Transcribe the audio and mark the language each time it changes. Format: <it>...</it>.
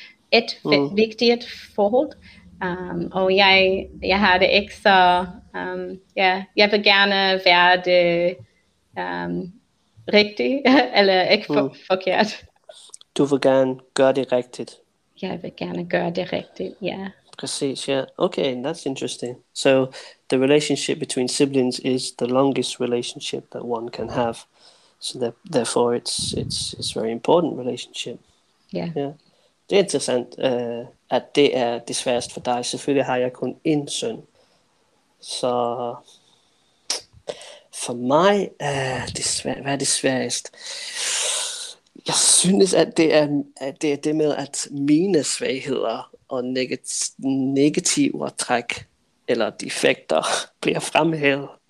<da>Et vigtigt forhold. Og jeg har det ikke så... jeg vil gerne være det rigtigt, eller ikke forkert. Du vil gerne gøre det rigtigt. Jeg vil gerne gøre det rigtigt, ja. Præcis, ja.</da> <en>Okay, that's interesting. So, the relationship between siblings is the longest relationship that one can have. So, therefore, it's a very important relationship. Yeah. Yeah.</en> <da>Det er interessant, at det er det sværeste for dig. Selvfølgelig har jeg kun én søn. Så, for mig hvad er det sværeste? Jeg synes, at det er det med, at mine svagheder og negative træk eller defekter bliver fremhævet.</da>